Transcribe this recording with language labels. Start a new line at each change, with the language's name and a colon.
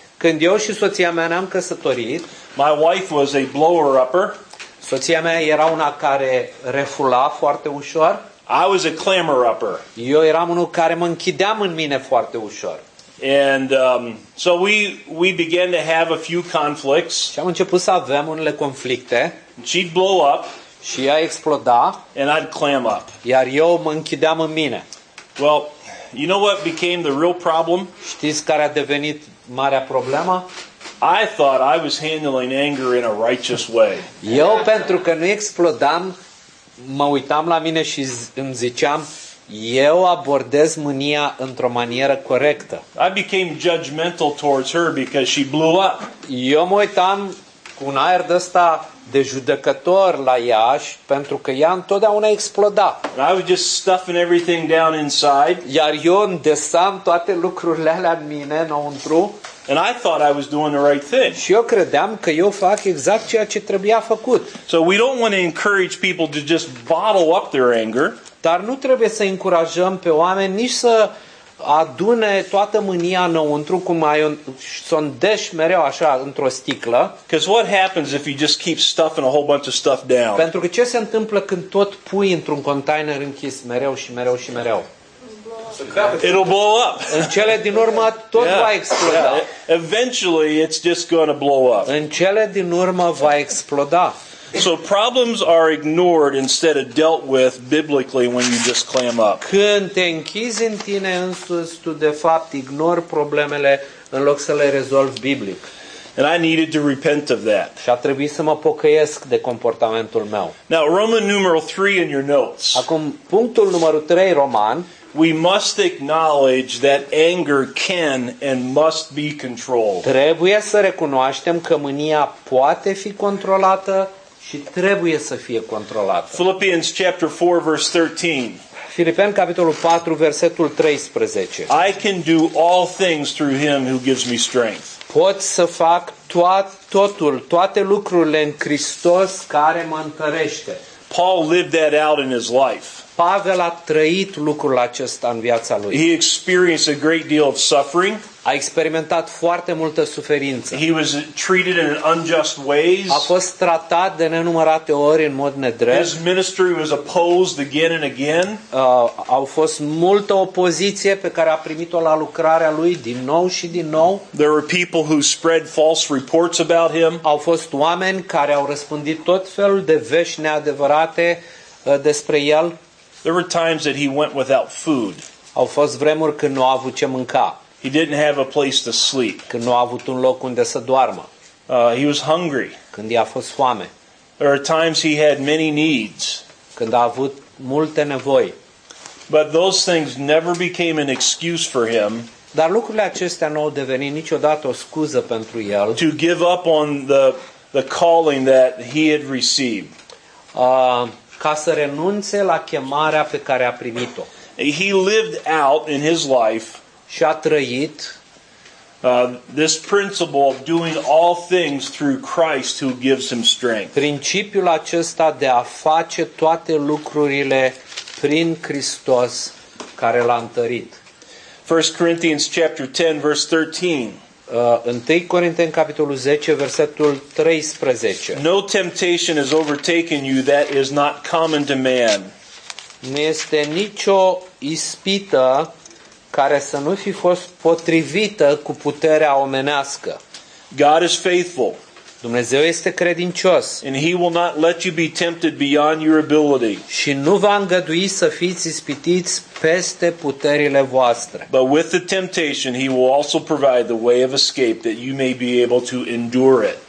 Romanian: când eu și soția mea ne-am căsătorit,
English: my wife was a blower upper.
Romanian: Soția mea era una care refula foarte ușor.
English: I was a clammer upper.
Romanian: Eu eram unul care mă închideam în mine foarte ușor.
English: And so we began to have a few conflicts.
Romanian: Și am început să avem unele conflicte.
English: She'd blow up.
Romanian: Și ea exploda.
English: And I'd clam up.
Romanian: Iar eu mă închideam în mine.
English: Well, you know what became the real problem?
Romanian: Știți care a devenit marea problemă?
English: I thought I was handling anger in a righteous way.
Romanian: Eu pentru că nu explodam, mă uitam la mine și îmi ziceam eu abordez mânia într-o manieră corectă.
English: I became judgmental towards her because she blew up.
Romanian: Eu mă uitam cu un aer de ăsta de judecător la ea pentru că ea întotdeauna exploda.
English: And I was just stuffing everything down inside.
Romanian: Iar eu îndesam toate lucrurile alea în mine înăuntru.
English: And I thought I was doing the right thing.
Romanian: Și eu credeam că eu fac exact ceea ce trebuia făcut.
English: So we don't want to encourage people to just bottle up their anger.
Romanian: Dar nu trebuie să încurajăm pe oameni nici să adune toată mânia înăuntru cum ai sondești mereu așa într-o sticlă.
English: Because what happens if you just keep stuffing a whole bunch of stuff down?
Romanian: Pentru că ce se întâmplă când tot pui într-un container închis mereu și mereu și mereu?
English: It'll blow up.
Romanian: În cele din urmă tot va exploda.
English: Eventually it's just going to blow up.
Romanian: În cele din urmă va exploda.
English: So problems are ignored instead of dealt with biblically when you just clam up.
Romanian: Când te închizi în tine însuți, tu de fapt ignori problemele în loc să le rezolvi biblic.
English: And I needed to repent of that.
Romanian: Și a trebuit să mă pocăiesc de comportamentul meu.
English: Now Roman numeral 3 in your notes.
Romanian: Acum punctul numărul 3 roman.
English: We must acknowledge that anger can and must be controlled.
Romanian: Trebuie să recunoaștem că mânia poate fi controlată și trebuie să fie controlată.
English: Philippians chapter 4 verse 13.
Romanian: Filipeni capitolul 4 versetul 13.
English: I can do all things through him who gives me strength.
Romanian: Pot să fac totul, toate lucrurile în Hristos care mă întărește.
English: Paul lived that out in his life.
Romanian: Pavel a trăit lucrul acesta în viața lui.
English: He experienced a great deal of suffering.
Romanian: A experimentat foarte multă suferință.
English: He was treated in unjust ways.
Romanian: A fost tratat de nenumărate ori în mod nedrept.
English: His ministry was opposed again and again.
Romanian: Au fost multă opoziție pe care a primit-o la lucrarea lui din nou și din nou.
English: There were people who spread false reports about him.
Romanian: Au fost oameni care au răspândit tot felul de vești neadevărate despre el.
English: There were times that he went without food.
Romanian: Au fost vremuri când nu a avut ce mânca.
English: He didn't have a place to sleep.
Romanian: Când nu a avut un loc unde să doarmă.
English: He was hungry.
Romanian: Când i-a fost foame.
English: There were times he had many needs.
Romanian: Când a avut multe nevoi.
English: But those things never became an excuse for him.
Romanian: Dar lucrurile acestea nu au devenit niciodată o scuză pentru el.
English: To give up on the calling that he had received.
Romanian: Ca să renunțe la chemarea pe care a primit-o.
English: He lived out in his life
Romanian: și a trăit
English: this principle of doing all things through Christ who gives him strength.
Romanian: Principiul acesta de a face toate lucrurile prin Hristos care l-a întărit.
English: 1 Corinthians chapter 10 verse 13.
Romanian: 1 Corinteni capitolul 10 versetul 13.
English: No temptation has overtaken you that is not common to man.
Romanian: Nu este nicio ispită care să nu fi fost potrivită cu puterea omenească.
English: God is faithful.
Romanian: Dumnezeu este credincios.
English: And he will not let you be tempted beyond your ability.
Romanian: Și nu va îngădui să fiți ispitiți peste puterile voastre.
English: But with the temptation he will also provide the way of escape that you may be able to endure it.